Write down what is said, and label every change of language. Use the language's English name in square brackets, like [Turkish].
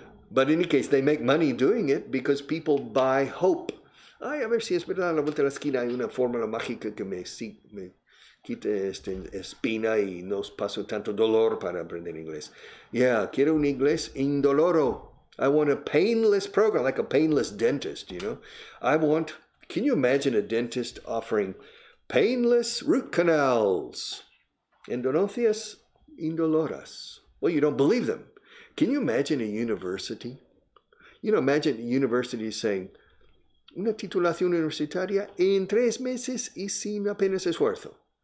[English] But in any case, they make money doing it because people buy hope. [Spanish] Ay, a ver si es verdad. A la vuelta de la esquina hay una fórmula mágica que me quite esta espina y no paso tanto dolor para aprender inglés. Yeah, quiero un inglés indoloro. [English] I want a painless program, like a painless dentist, you know. Can you imagine a dentist offering painless root canals? [Spanish] Endodoncias indoloras. [English] Well, you don't believe them. Can you imagine a university? You know, imagine a university saying, [Spanish] una titulación universitaria en 3 meses y sin apenas esfuerzo.